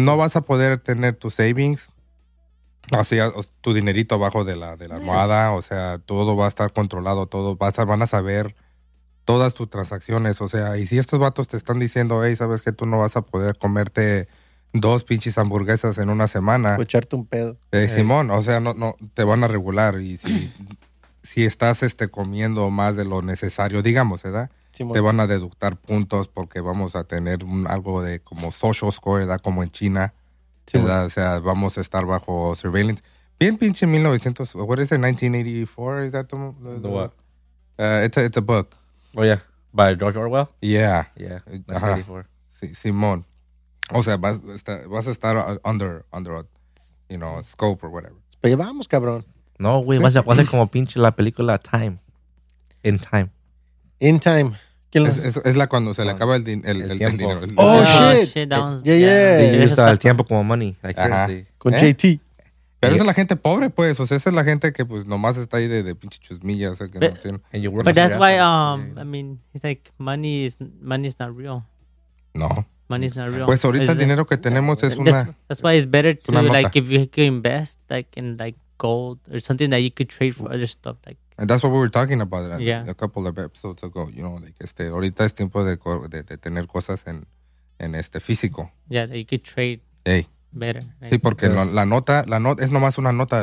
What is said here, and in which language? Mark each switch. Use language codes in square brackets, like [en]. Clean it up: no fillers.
[es] no vas a poder tener tus savings, o sea, tu dinerito abajo de la almohada, o sea, todo va a estar controlado, van a saber todas tus transacciones, o sea, y si estos vatos te están diciendo, hey, ¿sabes qué? Tú no vas a poder comerte dos pinches hamburguesas en una semana. Escucharte un pedo. Simón, o sea, no te van a regular, y si estás comiendo más de lo necesario, digamos, ¿verdad? Simón. Te van a deductar puntos porque vamos a tener algo de como social score, ¿verdad? Como en China. Sí, o sea, vamos a estar bajo surveillance. Bien pinche [en] 1900, what is it, 1984, is that the what? It's a book. Oh, yeah. By George Orwell? Yeah. Yeah. Simón. [es] O sea, vas a estar [en] under a, you know, a scope or whatever. [es] Pero vamos, cabrón. No, güey, vas a pasar como pinche la película Time. [en] In Time. In Time. [es] Es la cuando se le acaba el tiempo. El dinero. [en] Oh, shit. Yeah. [es] Y usa el tiempo como money. Con JT. Pero esa es la gente pobre, pues. O sea, esa es la gente que pues nomás está ahí de pinche chusmillas. O sea, que [en] but, [es] no tiene. [en] But that's why, I mean, it's like money is not real. No. Money's not real. [es] Pues ahorita el dinero que tenemos es una... [en] That's why it's better to, like, if you could invest, like, in, like, gold or something that you could trade for other stuff, like... And that's what we were talking about a couple of episodes ago, you know, like, [es] ahorita es tiempo de tener cosas en físico. [en] Yeah, that you could trade. Hey. Better, [es] right? Sí, porque la nota es nomás una nota.